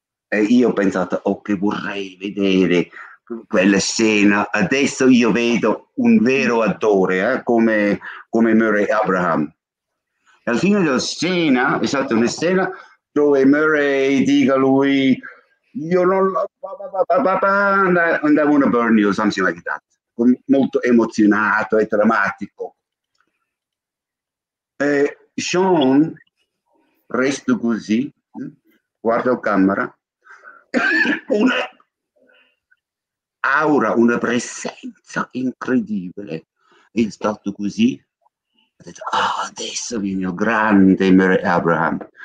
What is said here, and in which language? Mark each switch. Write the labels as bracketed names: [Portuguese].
[Italian] E io ho pensato, ok, vorrei vedere quella scena. Adesso io vedo un vero attore, come Murray Abraham. Alla fine della scena, è stata una scena dove Murray dica a lui io non lo... [English] and I want to burn you, something like that. [Italian] Molto emozionato e drammatico. E Sean resta così, guarda la camera, una aura, una presenza incredibile. È stato così. Ha detto, oh, adesso viene il grande Murray Abraham.